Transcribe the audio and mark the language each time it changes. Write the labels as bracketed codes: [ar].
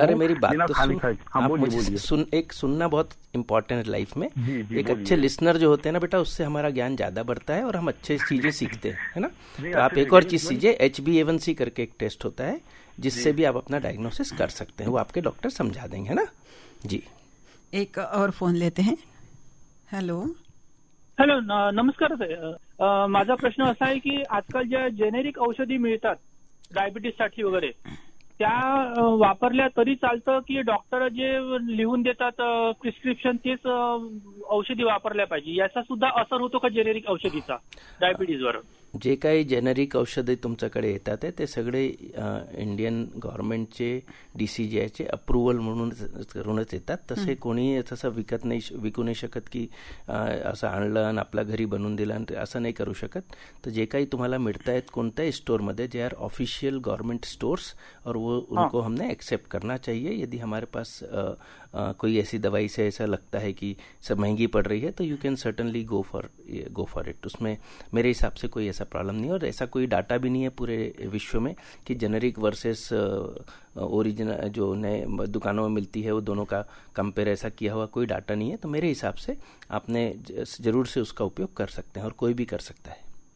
[hi] अरे मेरी बात तो सुन, एक सुनना बहुत इम्पोर्टेंट है लाइफ में। एक अच्छे लिसनर जो होते हैं ना बेटा, उससे हमारा ज्ञान ज्यादा बढ़ता है और हम अच्छे चीजें सीखते हैं, है ना। तो आप एक और चीज सीजिए, HbA1c करके एक टेस्ट होता है जिससे भी आप अपना डायग्नोसिस कर सकते हैं, वो आपके डॉक्टर समझा देंगे, है ना जी। एक और फोन लेते हैं। हेलो [mr] हेलो नमस्कार सर, माझा प्रश्न असा आहे की आजकाल ज्या जेनेरिक औषधी मिळतात डायबिटीज साठी वगैरे, त्या वापरल्या तरी चालतं की डॉक्टर जे लिहून देतात प्रिस्क्रिप्शन तेच औषधी वापरल्या पाहिजे, याचा सुद्धा असर होतो का जेनेरिक औषधीचा डायबिटीजवर? जे काही जेनेरिक औषधे तुमच्याकडे येतात ते सगळे इंडियन गव्हर्नमेंटचे DCGI अप्रूव्हल म्हणूनच येतात। तसे कोणी तसं विकत नाही, विकू नाही शकत की असं आणलं आणि आपल्या घरी बनवून दिलं आणि असं नाही करू शकत। तर जे काही तुम्हाला मिळतायत कोणत्याही स्टोअरमध्ये, जे [en] are official government stores, [hi] और वो उनको हमने एक्सेप्ट करना चाहिए। यदि हमारे पास कोई ऐसी दवाई से ऐसा लगता है कि सब महंगी पड़ रही है तो [en] You can certainly go for it. [hi] उसमें मेरे हिसाब से कोई ऐसा प्रॉब्लम नहीं, और ऐसा कोई डाटा भी नहीं है पूरे विश्व में कि जेनेरिक वर्सेस ओरिजिनल जो नए दुकानों में मिलती है वो दोनों का कंपेयर ऐसा किया हुआ कोई डाटा नहीं है। तो मेरे हिसाब से आपने जरूर से उसका उपयोग कर सकते हैं, और कोई भी कर सकता है।